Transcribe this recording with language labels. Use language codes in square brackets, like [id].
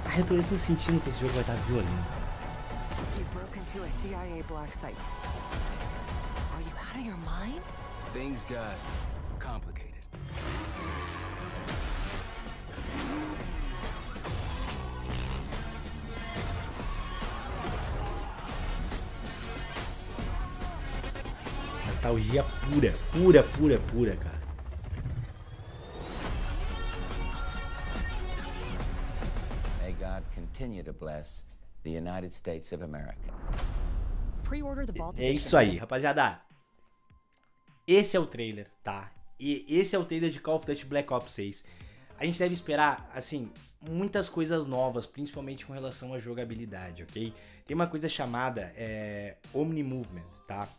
[pt] Eu tô sentindo que esse jogo vai estar violento. [en] You broke into a CIA black site. Are you out of your mind? Things got complicated. [pt] Nostalgia pura, pura, pura, pura, cara. [en] Continue to bless the United States of America. Pre-order the Vault. [pt] É isso aí, rapaziada. Esse é o trailer, tá? E esse é o trailer de Call of Duty Black Ops 6. A gente deve esperar, assim, muitas coisas novas, principalmente com relação à jogabilidade, ok? Tem uma coisa chamada Omni-Movement, tá?